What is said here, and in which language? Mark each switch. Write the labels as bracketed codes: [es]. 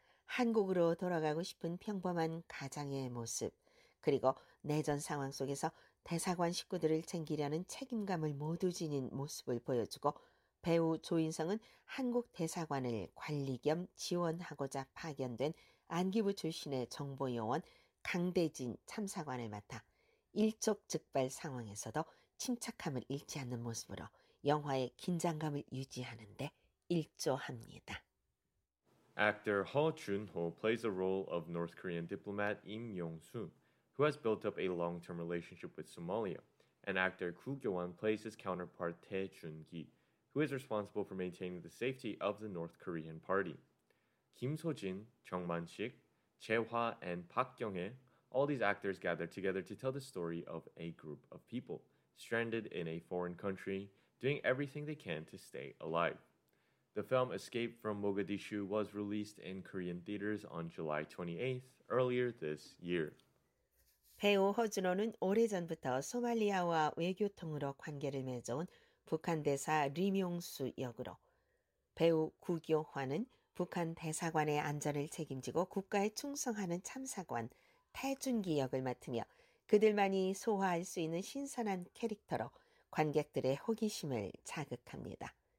[ko] 한국으로 돌아가고 싶은 평범한 가장의 모습, 그리고 내전 상황 속에서 대사관 식구들을 챙기려는 책임감을 모두 지닌 모습을 보여주고 배우 조인성은 한국 대사관을 관리 겸 지원하고자 파견된 안기부 출신의 정보요원 강대진 참사관을 맡아 일촉즉발 상황에서도 침착함을 잃지 않는 모습으로 영화의 긴장감을 유지하는 데 일조합니다. [en] Actor Ha Jun-ho plays the role of North Korean diplomat Im Yong-soo, who has built up a long-term relationship with Somalia. And actor Ku Kyo-won plays his counterpart Tae Jun-gi, who is responsible for maintaining the safety of the North Korean party. Kim So-jin, Jung Man-sik, Jae-hwa, and Park Kyung-hae, all these actors gather together to tell the story of a group of people stranded in a foreign country, doing everything they can to stay alive. The film Escape from Mogadishu was released in Korean theaters on July 28th, earlier this year. [ko] 배우 허준호는 오래전부터 소말리아와 외교통으로 관계를 맺어온 북한 대사 리명수 역으로, 배우 구교환은 북한 대사관의 안전을 책임지고 국가에 충성하는 참사관 태준기 역을 맡으며 그들만이 소화할 수 있는 신선한 캐릭터로 관객들의 호기심을 자극합니다.